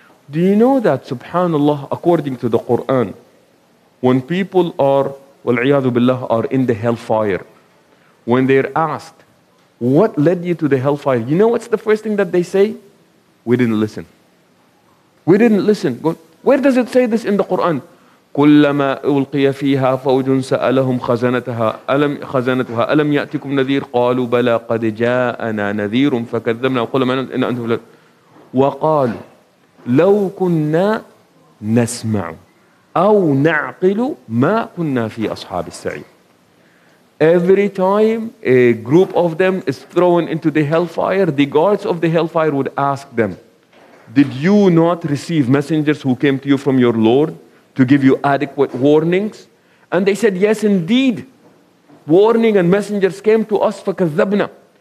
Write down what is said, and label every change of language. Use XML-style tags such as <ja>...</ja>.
<en>Do you know that, subhanallah, according to the Quran, when people are, wal'iyadu billah, are in the hellfire, when they're asked, what led you to the hellfire? You know what's the first thing that they say? We didn't listen. We didn't listen. Where does it say this in the Quran?</en> <ar>كلما ألقي فيها فوج سألهم خزنتها ألم يأتكم نذير قالوا بلى قد جاءنا نذير فكذبنا وقلنا ما إن أنتم وقالوا لو كنا نسمع أو نعقل ما كنا في أصحاب السعير.</ar> <en>Every time a group of them is thrown into the hellfire, the guards of the hellfire would ask them, did you not receive messengers who came to you from your Lord to give you adequate warnings? And they said, yes, indeed. Warning and messengers came to us,</en> <ar>فَكَذَّبْنَا.</ar>